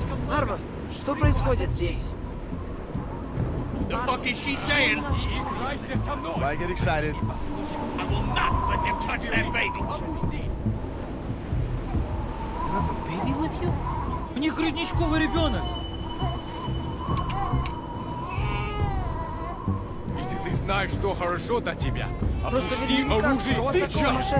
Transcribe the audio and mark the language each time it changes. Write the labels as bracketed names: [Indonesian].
[Russian] Arvo, что происходит здесь? [English] What the fuck is she saying? Why get excited? I will not let them touch that baby! You have a baby with you? [Russian] У них грудничковый ребенок! Если ты знаешь, что хорошо для тебя, опусти оружие сейчас!